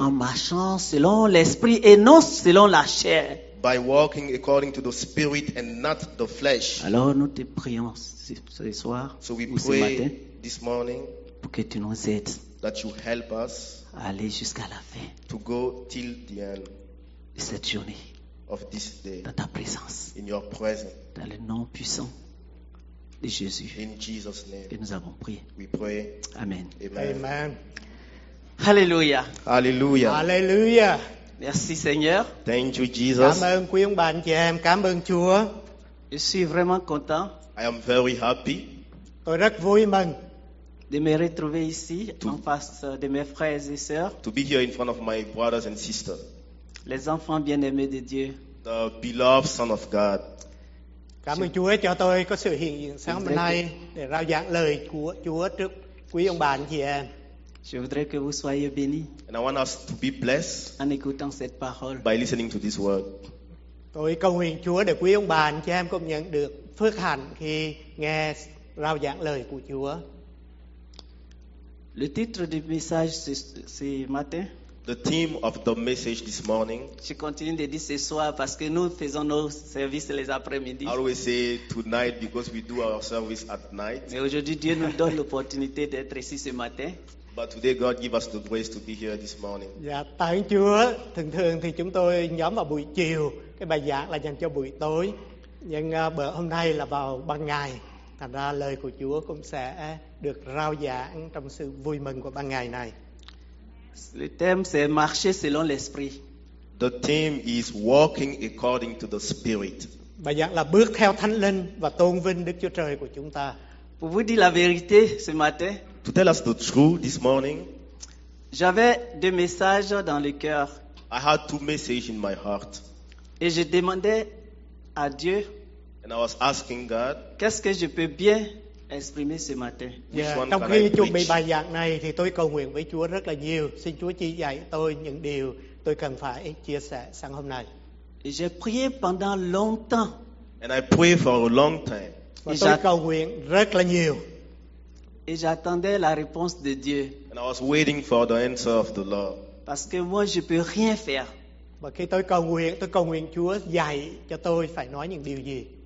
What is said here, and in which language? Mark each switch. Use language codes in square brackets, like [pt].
[fr] en marchant selon l'esprit et non selon la chair, [en] by walking according to the spirit and not the flesh. [fr] Alors nous te prions ce soir, [en] so we [fr] ou [en] pray [fr] ce matin, [en] this morning, [fr] pour que tu nous aides, [en] that you help us, [fr] aller jusqu'à la fin, [en] to go till the end, [fr] de cette journée, [en] of this day, [fr] dans ta présence, [en] in your presence, [fr] dans le nom puissant de Jésus, [en] in Jesus name, [fr] que nous avons prié, [en] we pray, amen, amen, amen. Hallelujah, hallelujah, hallelujah. [fr] Merci Seigneur. [en] Thank you Jesus. [vi] Cảm ơn quý ông bà anh chị em. Cảm ơn Chúa. [fr] Je suis vraiment content. [en] I am very happy. [vi] Tôi rất vui mừng. [fr] De me retrouver ici en face de mes frères et sœurs. [en] To be here in front of my brothers and sisters. [fr] Les enfants bien-aimés de Dieu. [en] The beloved son of God. [vi] Cảm ơn Chúa cho tôi có sự hiện diện sáng hôm nay để rao giảng lời của Chúa trước quý ông bà anh chị em. [fr] Je voudrais que vous soyez bénis. [en] And I want us to be blessed. [fr] En écoutant cette parole. [en] By listening to this word. [vi] Tôi cầu nguyện Chúa để quý ông bà anh chị em cũng nhận được phước hạnh khi nghe rao giảng lời của Chúa. [fr] Le titre du message ce matin. [en] The theme of the message this morning. [fr] Je continue de dire ce soir parce que nous faisons nos services les après-midi. [en] I always say tonight because we do our service at night. [fr] Mais aujourd'hui Dieu nous donne l'opportunité d'être ici ce matin. [en] But today God give us the grace to be here this morning. [vi] Dạ, tại Chúa, thường thường thì chúng tôi nhóm vào buổi chiều, cái bài giảng là dành cho buổi tối. Nhưng bữa hôm nay là vào ban ngày, thành ra lời của Chúa cũng sẽ được rao giảng trong sự vui mừng của ban ngày này. [fr] Le thème c'est marcher selon l'esprit. [en] The theme is walking according to the spirit. [vi] Bài giảng là bước theo Thánh Linh và tôn vinh Đức Chúa Trời của chúng ta. [fr] Pour vous dire la vérité ce matin, [en] to tell us the truth this morning, [fr] j'avais deux messages dans le cœur. [en] I had two messages in my heart. [fr] Et je demandais à Dieu, [en] and I was asking God, [fr] qu'est-ce que je peux bien exprimer ce matin? [vi] Trong khi chuẩn bị bài giảng này, thì tôi cầu nguyện với Chúa rất là nhiều. Xin Chúa chỉ dạy tôi những điều tôi cần phải chia sẻ sáng hôm nay. [fr] Et j'ai prié pendant longtemps. [en] And I prayed for a long time. [vi] Và tôi cầu nguyện rất là nhiều. [fr] Et j'attendais la réponse de Dieu. [en] And I was waiting for the answer of the Lord. [fr] Parce que moi, je peux rien faire. [vi] Và khi tôi cầu nguyện Chúa dạy cho tôi phải nói những điều gì.